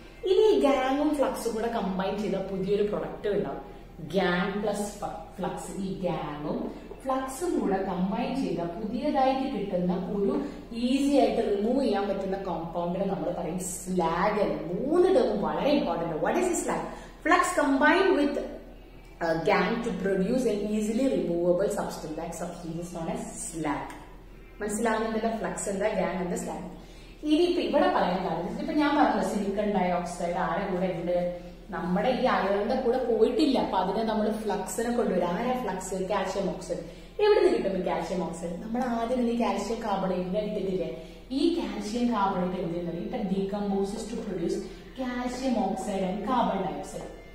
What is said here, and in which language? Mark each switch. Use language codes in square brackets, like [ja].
[ml] ഇനി ഈ ഗ്യാങ്ങും ഫ്ലക്സും കൂടെ കമ്പൈൻ ചെയ്ത പുതിയൊരു പ്രൊഡക്റ്റ് ഉണ്ടാവും, ഗ്യാങ് പ്ലസ് ഫ്ലക്സ്. ഈ ഗ്യാങ്ങും ഫ്ലക്സും കൂടെ കമ്പൈൻ ചെയ്ത പുതിയതായിട്ട് കിട്ടുന്ന ഒരു ഈസി ആയിട്ട് റിമൂവ് ചെയ്യാൻ പറ്റുന്ന കോമ്പൗണ്ടിനെ നമ്മൾ പറയും സ്ലാഗ് എന്ന്. മൂന്ന് ടേം വളരെ important. [en] What is the slag? flux combined with a gang to produce an easily removable substance. That substance is known as slag. [ml] മനസ്സിലാകുന്നുണ്ടല്ലോ flux എന്താ ഗ്യാങ് എന്താ സ്ലാഗ്. ഇനി ഇപ്പൊ ഇവിടെ പറയാൻ കാര്യം, ഇപ്പൊ ഞാൻ പറഞ്ഞു സിലിക്കൺ ഡയോക്സൈഡ് ആരുടെ കൂടെ ഉണ്ട്, നമ്മുടെ ഈ അയോണിന്റെ കൂടെ പോയിട്ടില്ല, അപ്പൊ അതിനെ നമ്മൾ ഫ്ലക്സിനെ കൊണ്ടുവരും. ആരാ ഫ്ലക്സ്? Calcium oxide. എവിടെ നിന്ന് കിട്ടും കാൽഷ്യം ഓക്സൈഡ്? നമ്മൾ ആദ്യം ഇനി കാൽഷ്യം കാർബണേറ്റിനെ ഇട്ടിട്ടില്ലേ, ഈ കാൽഷ്യം കാർബണേറ്റ് എന്ത് ചെയ്യുന്നത്, ഇട്ട [en] Decomposes to produce calcium oxide and carbon dioxide.